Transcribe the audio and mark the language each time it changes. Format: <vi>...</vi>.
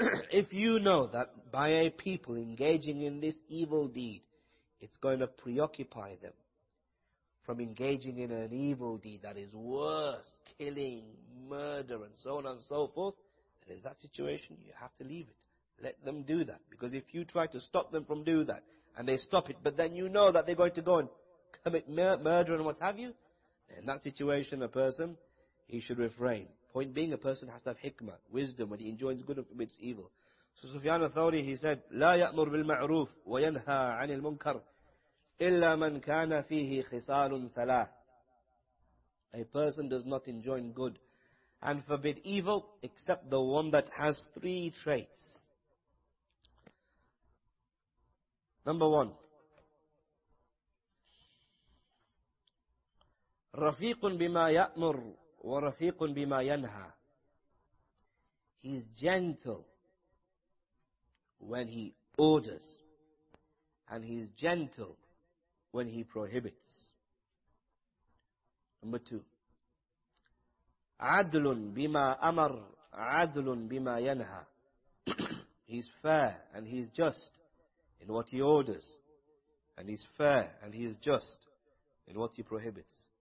<en>If you know that by a people engaging in this evil deed, it's going to preoccupy them from engaging in an evil deed that is worse, killing, murder, and so on and so forth, then in that situation, you have to leave it. Let them do that. Because if you try to stop them from doing that, and they stop it, but then you know that they're going to go and commit murder and what have you, then in that situation, a person, he should refrain. Point being, a person has to have hikmah, wisdom, when he enjoins good and forbids evil. So Sufyan al-Thawri, he said,</en> <ar>لا يأمر بالمعروف وينهى عن المنكر إلا من كان فيه خصال ثلاث.</ar> <en>A person does not enjoin good and forbid evil except the one that has three traits. Number one,</en> <ar>رفيق بما يأمر ورفيق بما ينهى.</ar> <en>He is gentle when he orders, and he is gentle when he prohibits. Number two,</en> <ar>عدل بما أمر عدل بما ينهى.</ar> <en>He's fair and he's just in what he orders, and he's fair and he's just in what he prohibits.</en>